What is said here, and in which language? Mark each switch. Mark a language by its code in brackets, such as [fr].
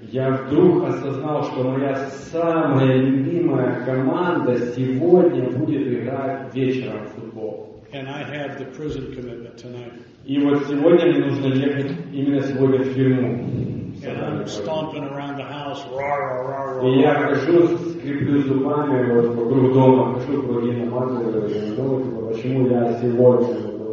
[ru] Я вдруг осознал, что моя самая любимая команда сегодня будет играть вечером в футбол. [en] And I have the prison commitment tonight. [ru] И вот сегодня мне нужно ехать именно сегодня в тюрьму. [en] And I'm stomping around the house, rah, rah, rah, rah. [ru] И я хожу, скреплю зубами вот вокруг дома, хожу по длинным матерям, думаю, почему я сегодня